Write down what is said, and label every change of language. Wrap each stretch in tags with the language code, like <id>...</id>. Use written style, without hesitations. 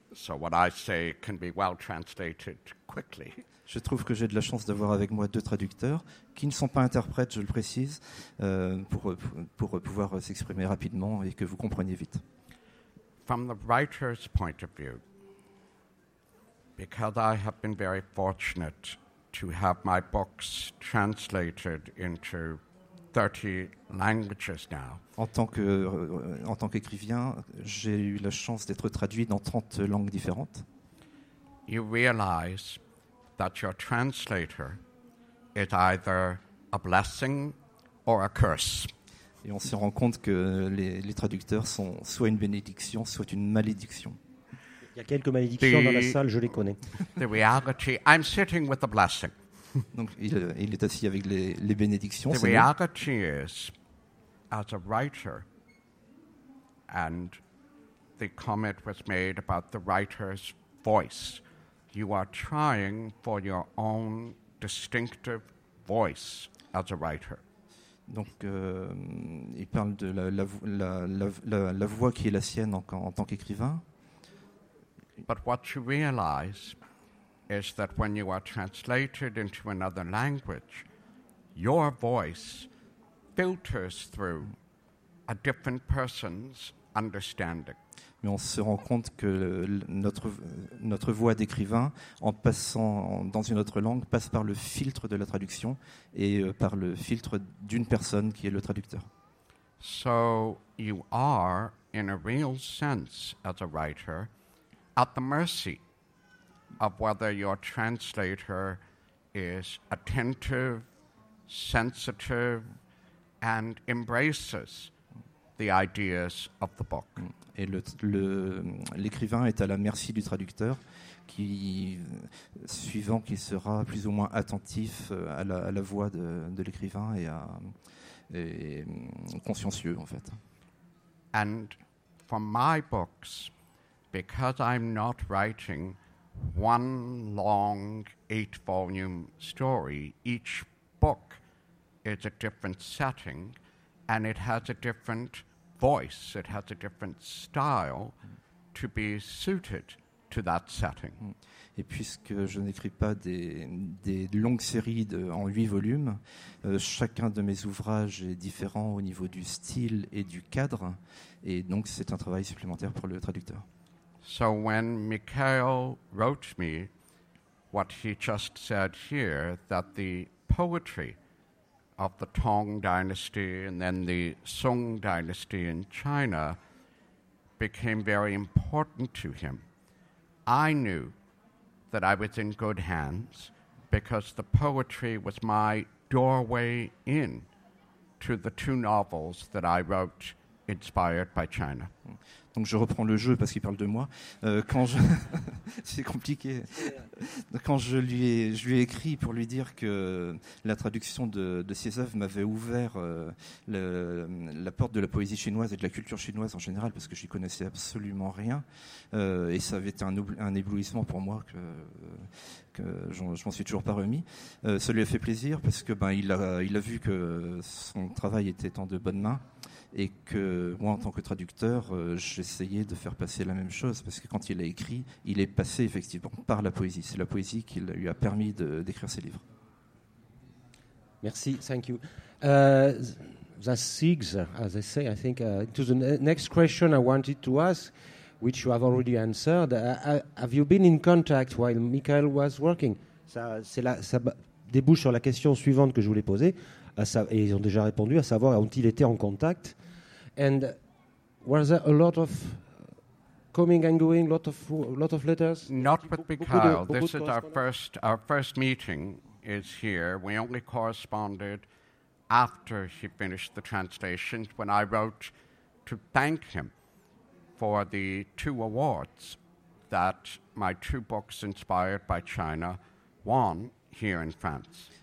<en>So what I say can be well translated quickly.</en> <fr>Je trouve que j'ai de la chance d'avoir avec moi deux traducteurs qui ne sont pas interprètes, je le précise, pour pouvoir s'exprimer rapidement et que vous compreniez vite.</fr> <en>From the writer's point of view, because I have been very fortunate to have my books translated into 30 languages now.</en> <fr>En tant qu'écrivain, j'ai eu la chance d'être traduit dans 30 langues différentes.</fr> <en>You realize that your translator is either a blessing or a curse.</en> <fr>Et on se rend compte que les traducteurs sont soit une bénédiction, soit une malédiction. Il y a quelques malédictions dans la salle, je les connais.</fr> <en>The reality, I'm sitting with a blessing.</en> <fr>Donc il est assis avec les bénédictions.</fr> <en>The reality is, as a writer, and the comment was made about the writer's voice, you are trying for your own distinctive voice as a writer.</en> <fr>Donc il parle de la voix qui est la sienne en tant qu'écrivain.</fr> <en>But what you realize is that when you are translated into another language, your voice filters through a different person's understanding.</en> <fr>Mais on se rend compte que notre voix d'écrivain, en passant dans une autre langue, passe par le filtre de la traduction et par le filtre d'une personne qui est le traducteur.</fr> <en>So you are, in a real sense, as a writer, at the mercy of whether your translator is attentive, sensitive, and embraces the ideas of the book.</en> <fr>Et l'écrivain est à la merci du traducteur, qui, suivant qu'il sera plus ou moins attentif à la voix de l'écrivain et consciencieux, en fait.</fr> <en>And for my books, because I'm not writing one long 8-volume story, each book is a different setting, and it has a different voice, it has a different style to be suited to that setting.</en> <fr>Et puisque je n'écris pas des longues séries en 8 volumes, chacun de mes ouvrages est différent au niveau du style et du cadre, et donc c'est un travail supplémentaire pour le traducteur.</fr> <en>So when Mikhail wrote me what he just said here, that the poetry of the Tang Dynasty and then the Song Dynasty in China became very important to him, I knew that I was in good hands because the poetry was my doorway in to the two novels that I wrote inspired by China.</en> <fr>Donc je reprends le jeu parce qu'il parle de moi. C'est compliqué. Quand je lui ai écrit pour lui dire que la traduction de ses œuvres m'avait ouvert la porte de la poésie chinoise et de la culture chinoise en général, parce que je n'y connaissais absolument rien, et ça avait été un éblouissement pour moi que je m'en suis toujours pas remis. Ça lui a fait plaisir parce que il a vu que son travail était en de bonnes mains. Et que moi, en tant que traducteur, j'essayais de faire passer la même chose, parce que quand il a écrit, il est passé effectivement par la poésie. C'est la poésie qui lui a permis d'écrire ses livres. Merci,</fr> <en>thank you. That sigs, as I say, I think, to the next question I wanted to ask, which you have already answered. Have you been in contact while Mikhail was working?</en> <fr>Ça débouche sur la question suivante que je voulais poser. Et ils ont déjà répondu, à savoir, ont-ils été en contact?</fr> <en>And were there a lot of coming and going, lot of letters? Not with Mikhail. This is our first meeting is here. We only corresponded after he finished the translation, when I wrote to thank him for the two awards that my two books inspired by China won here in France.</en>